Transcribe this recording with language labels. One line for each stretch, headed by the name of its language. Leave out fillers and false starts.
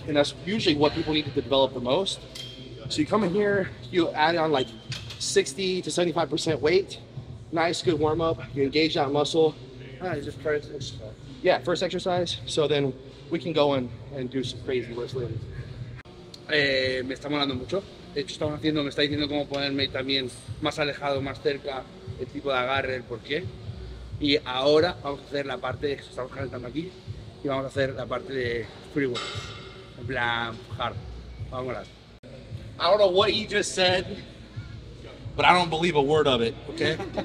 English: And that's usually what people need to develop the most. So you come in here, you add on like 60 to 75% weight. Nice, good warm up. You engage that muscle. Nice, just try this. Yeah, first exercise. So then we can go in and do some crazy lifts later.
Spanish: Me está molando mucho. De hecho, estamos haciendo, me está diciendo cómo ponerme también más alejado, más cerca, el tipo de agarre, el porqué. Y ahora vamos a hacer la parte que estamos calentando aquí y vamos a hacer la parte de free work, en plan hard. Vamos a ver.
English: I don't know what you just said, but I don't believe a word of it, okay?